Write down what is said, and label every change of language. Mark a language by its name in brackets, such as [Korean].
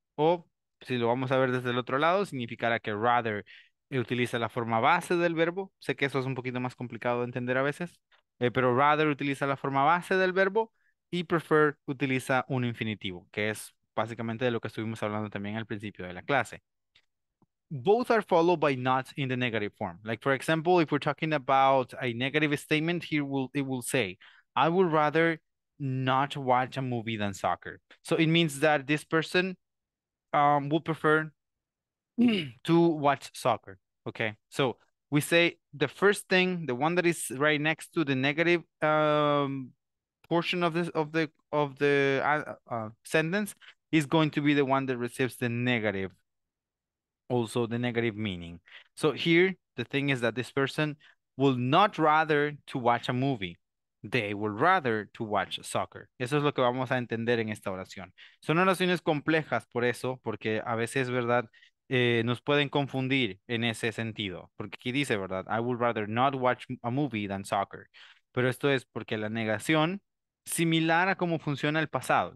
[Spanish] O si lo vamos a ver desde el otro lado, significará que rather utiliza la forma base del verbo. Sé que eso es un poquito más complicado de entender a veces, pero rather utiliza la forma base del verbo. Y prefer utiliza un infinitivo, que es básicamente de lo que estuvimos hablando también al principio de la clase. [English] Both are followed by not in the negative form. Like, for example, if we're talking about a negative statement, it will say, I would rather not watch a movie than soccer. So it means that this person would prefer to watch soccer, okay? So we say the first thing, the one that is right next to the negative portion of this sentence is going to be the one that receives the negative, also the negative meaning. So here the thing is that this person will not rather to watch a movie, they will rather to watch soccer. [Spanish] Eso es lo que vamos a entender en esta oración. Son oraciones complejas por eso, porque a veces, verdad, nos pueden confundir en ese sentido, porque aquí dice, verdad, [English] I would rather not watch a movie than soccer, [Spanish] pero esto es porque la negación similar a cómo funciona el pasado.